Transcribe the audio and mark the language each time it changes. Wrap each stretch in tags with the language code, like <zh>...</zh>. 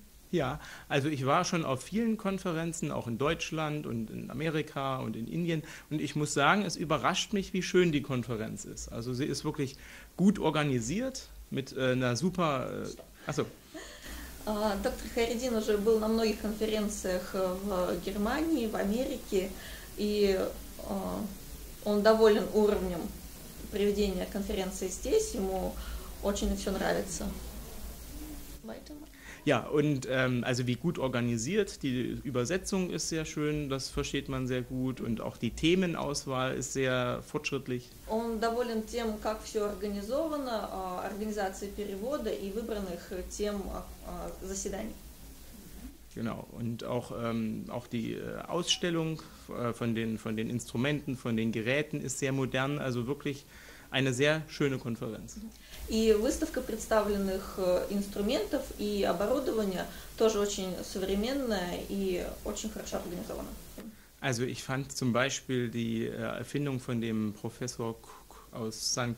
<de>Ja, also ich war schon auf vielen Konferenzen, auch in Deutschland und in Amerika und in Indien. Und ich muss sagen, es überrascht mich, wie schön die Konferenz ist. Also sie ist wirklich gut organisiert mit einer super. Achso.</de> <ru>Доктор Хайреддин уже был на многих конференциях в Германии, в Америке, и он доволен уровнем проведения конференции здесь, ему очень все нравится.</ru> <de>Ja, und also wie gut organisiert, die Übersetzung ist sehr schön, das versteht man sehr gut und auch die Themenauswahl ist sehr fortschrittlich.</de> <ru>Он доволен тем, как все организовано, организацией перевода и выбранных тем заседаний.</ru> <de>Genau, und auch die Ausstellung von den Instrumenten, von den Geräten ist sehr modern, also wirklich eine sehr schöne Konferenz.</de> <ru>И выставка представленных инструментов и оборудования тоже очень современная и очень хорошо организована.</ru> <de>Also ich fand zum Beispiel die Erfindung von dem Professor aus St.</de>